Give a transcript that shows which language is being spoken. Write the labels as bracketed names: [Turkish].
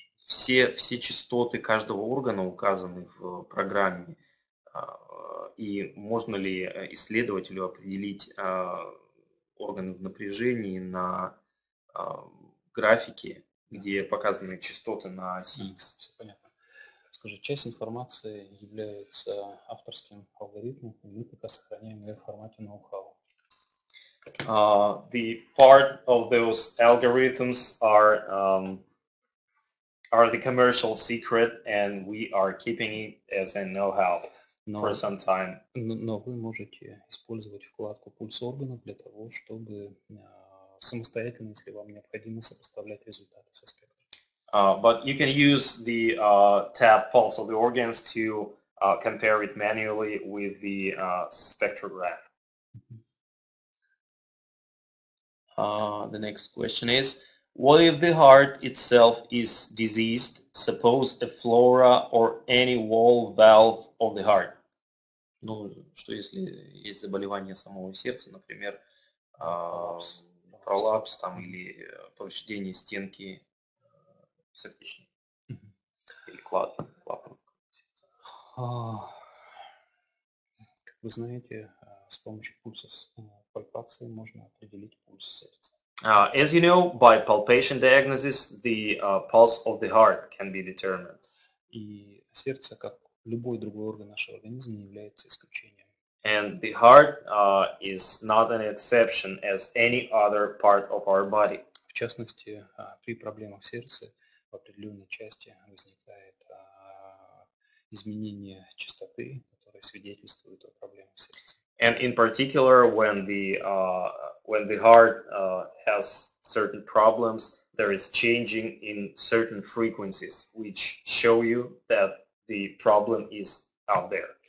[Russian] все частоты каждого органа указаны в программе, и можно ли исследователю определить органы в напряжении на графике, где показаны частоты на оси X. Все понятно. Скажи, часть информации является авторским алгоритмом, и мы пока сохраняем ее в формате ноу-хау. [English] The part of those algorithms are the commercial secret, and we are keeping it as a know-how for some time. [Russian] Но вы можете использовать вкладку пульс органа для того, чтобы самостоятельно, если вам необходимо, сопоставлять результаты со спектром. [English] But you can use the tab pulse of the organs to compare it manually with the spectrograph. The next question is, what if the heart itself is diseased? Suppose a flora or any wall valve of the heart. [Russian] Ну, что если есть заболевание самого сердца, например, пролапс там, или повреждение стенки сердечной или клапан сердца? Как вы знаете, с помощью пульса пальпации можно определить пульс сердца. [English] As you know, by palpation diagnosis, the pulse of the heart can be determined. [Russian] И сердце, как любой другой орган нашего организма, не является исключением. [English] And the heart is not an exception as any other part of our body. [Russian] В частности, при проблемах сердца в определенной части возникает изменение частоты, которое свидетельствует о проблемах сердца. [English] And in particular, when the heart has certain problems, there is changing in certain frequencies, which show you that the problem is out there.